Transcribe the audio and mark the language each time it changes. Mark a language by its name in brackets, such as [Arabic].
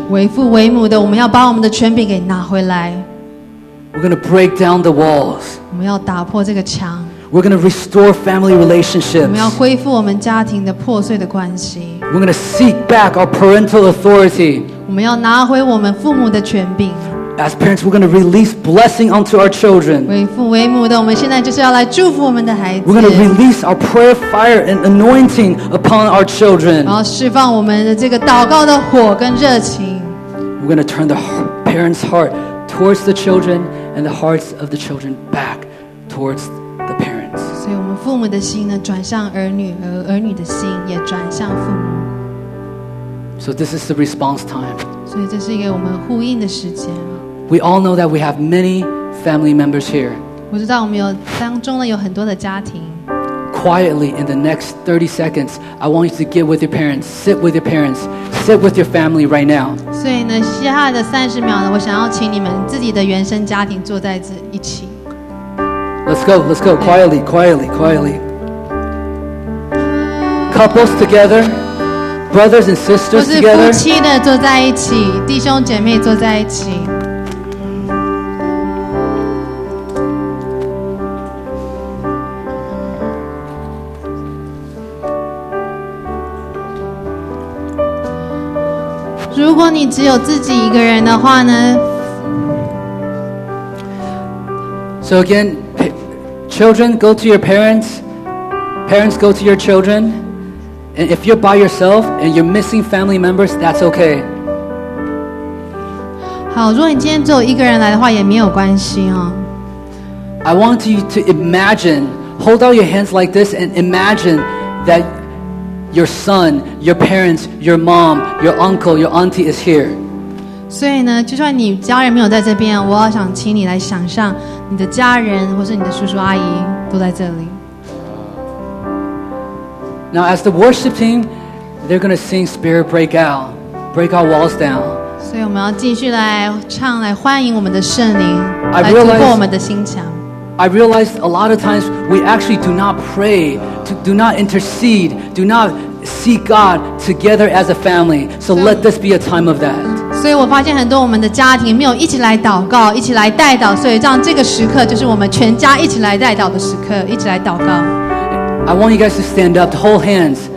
[Chinese] 为父为母的，我们要把我们的权柄给拿回来。 [English] We're going to break down the walls. [Chinese] 我们要打破这个墙。 [English] We're going to restore family relationships. [Chinese] 我们要恢复我们家庭的破碎的关系。 [English] We're going to seek back our parental authority. [Chinese] 我们要拿回我们父母的权柄。 [English] As parents, we're going to release blessing onto our children. [Chinese] 为父为母的，我们现在就是要来祝福我们的孩子。 [English] We're going to release our prayer fire and anointing upon our children. [Chinese] 然后释放我们的这个祷告的火跟热情。 [English] We're going to turn the parents' heart towards the children and the hearts of the children back towards the parents. [Chinese] 所以我们父母的心呢，转向儿女，而儿女的心也转向父母。 [English] So this is the response time. [Chinese] 所以这是一个我们呼应的时间。 [English] We all know that we have many family members here. [Chinese] 我知道我们有当中呢有很多的家庭。 [English] Quietly, in the next 30 seconds, I want you to get with your parents, sit with your parents, sit with your family right now. [Chinese] 所以呢，接下来的30秒呢，我想要请你们自己的原生家庭坐在这一起。 [English] Let's go, quietly, quietly, quietly. Couples together, brothers and sisters together. [Chinese] 或是夫妻的坐在一起，弟兄姐妹坐在一起。如果你只有自己一个人的话呢？ [English] So again, children go to your parents, parents go to your children, and if you're by yourself and you're missing family members, that's okay. [Chinese] 好，如果你今天只有一个人来的话，也没有关系哦。 [English] I want you to imagine, hold out your hands like this and imagine that. Your son, your parents, your mom, your uncle, your auntie is here. [Chinese] 所以呢，就算你家人没有在这边，我要想请你来想象你的家人或是你的叔叔阿姨都在这里。 [English] Now as the worship team, they're going to sing Spirit Break Out, Break Our Walls Down. [Chinese] 所以我们要继续来唱，来欢迎我们的圣灵，来突破我们的心墙。 [English] I realize a lot of times we actually do not pray, do not intercede, do not seek God together as a family. So let this be a time of that. [Chinese] 所以我发现很多我们的家庭没有一起来祷告，一起来代祷，所以让这个时刻就是我们全家一起来代祷的时刻，一起来祷告。 [English] I want you guys to stand up, to hold hands,